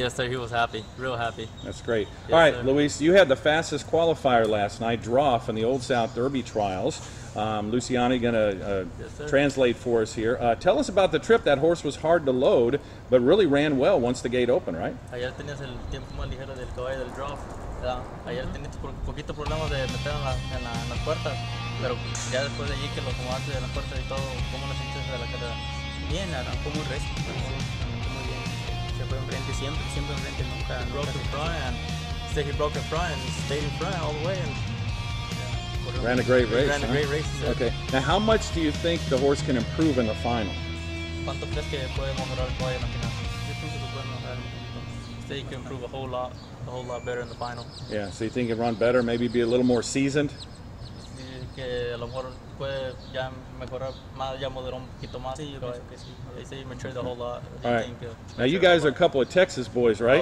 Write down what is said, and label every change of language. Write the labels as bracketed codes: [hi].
[en] Yes, sir. He was happy. Real happy. That's great. Yes, all right, Luis, you had the fastest qualifier last night, draw from the Old South Derby trials. Luciani going to translate for us here. Tell us about the trip. That horse was hard to load, but really ran well once the gate opened, right? [es] Ayer tenías el tiempo más ligero del caballo del drop. Ayer tenías poquito problema de meter en la puerta, pero ya después de allí que lo acomodaste en la puerta y todo, ¿cómo lo sientes de la carrera? Bien, arrancó muy recio. Siempre enfrente, siempre enfrente, nunca. [en] He broke in front, and said he broke in front and stayed in front all the way. And, yeah, ran a great race. Ran a great race. Yeah. Okay. Now, how much do you think the horse can improve in the final? [es] ¿Cuánto crees que puede mejorar todavía en la final? [en] I think he can improve a whole lot better in the final. Yeah, so you think he can run better, maybe be a little more seasoned? Now you guys are a couple of Texas boys, right?